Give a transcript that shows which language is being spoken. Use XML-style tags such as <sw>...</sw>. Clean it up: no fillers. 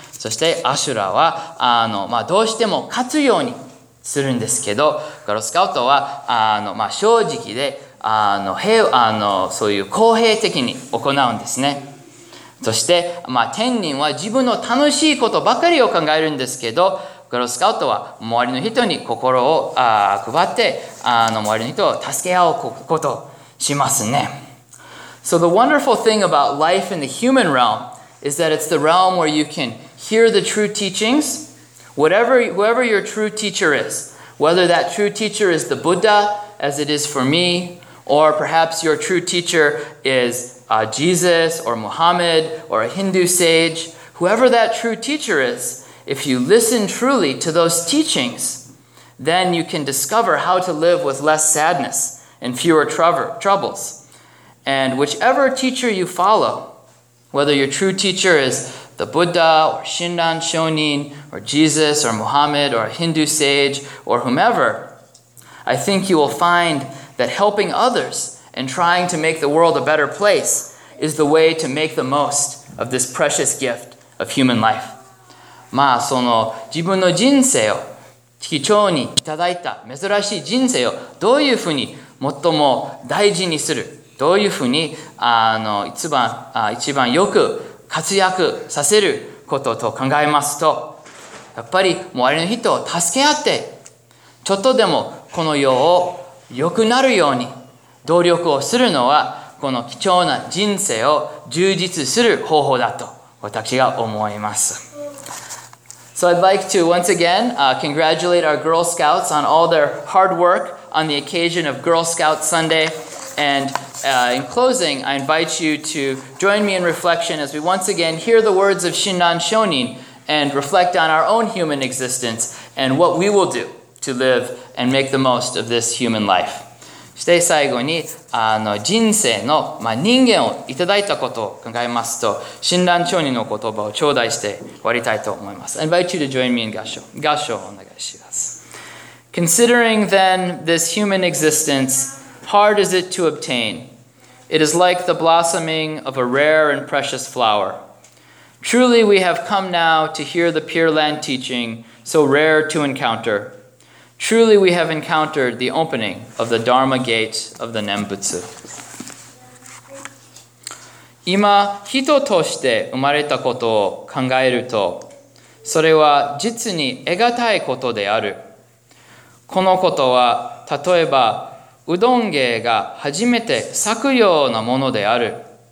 <ja>そして、アシュラは、まあ、どうしても勝つようにするんですけど、ガロスカウトは、まあ、正直で、そういう公平的に行うんですね。そして、まあ、天人は自分の楽しいことばかりを考えるんですけど、ガロスカウトは周りの人に心を配って、周りの人を助け合うことをしますね。</ja> <en>So the wonderful thing about life in the human realm is that it's the realm where you can hear the true teachings, whoever your true teacher is, whether that true teacher is the Buddha, as it is for me, or perhaps your true teacher is Jesus or Muhammad or a Hindu sage, whoever that true teacher is, if you listen truly to those teachings, then you can discover how to live with less sadness and fewer troubles. And whichever teacher you follow, whether your true teacher is the Buddha or Shinran Shonin or Jesus or Muhammad or a Hindu sage or whomever, I think you will find that helping others and trying to make the world a better place is the way to make the most of this precious gift of human life.</en> <ja>まあその自分の人生を貴重にいただいた珍しい人生をどういうふうに最も大事にする、どういうふうに一番よく活躍させることと考えますと、やっぱり周りの人を助け合ってちょっとでもこの世を良くなるように努力をするのはこの貴重な人生を充実する方法だと私が思います。</ja> <en>So I'd like to once again congratulate our Girl Scouts on all their hard work on the occasion of Girl Scout Sunday andIn closing, I invite you to join me in reflection as we once again hear the words of Shinran Shonin and reflect on our own human existence and what we will do to live and make the most of this human life.</en> <ja>そして最後に人生の、まあ、人間をいただいたことを考えますと、Shinran Shonin の言葉を頂戴して終わりたいと思います。</ja> <en>I invite you to join me in</en> <ja>合唱。合唱をお願いします。</ja> <en>Considering then this human existence,Hard is it to obtain. It is like the blossoming of a rare and precious flower. Truly we have come now to hear the Pure Land teaching, so rare to encounter. Truly we have encountered the opening of the Dharma gate of the Nembutsu.</en> <ja>今人として生まれたことを考えると、それは実に得難いことである。このことは、例えばうどん芸が初めて咲くようなものである。</ja>